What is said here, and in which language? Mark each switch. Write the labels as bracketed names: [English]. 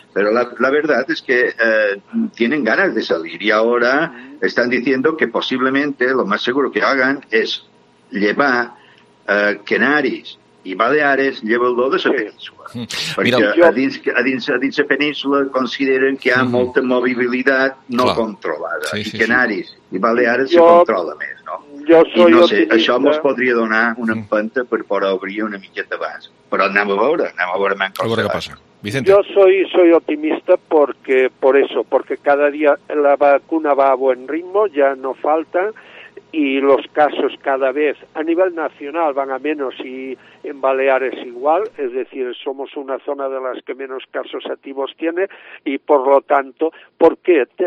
[Spanish] Pero la verdad es que tienen ganas de salir y ahora están diciendo que posiblemente lo más seguro que hagan es llevar Canaris y Baleares, llevarlo de esa península. Porque [Catalan] a dins [Spanish] la península consideren que hay mucha movilidad no controlada. Sí, y Canaris sí. Y Baleares se controla más, ¿no? Jo soy [Catalan] I no sé, això mos podria donar una empenta per obrir una miqueta abans. Però anem a veure què passa. A veure què passa. Vicente. [Spanish] Yo soy optimista porque cada día la vacuna va a buen ritmo, ya no falta, y los casos cada vez a nivel nacional van a menos y en Baleares igual, es decir, somos una zona de las que menos casos activos tiene y por lo tanto, ¿por qué?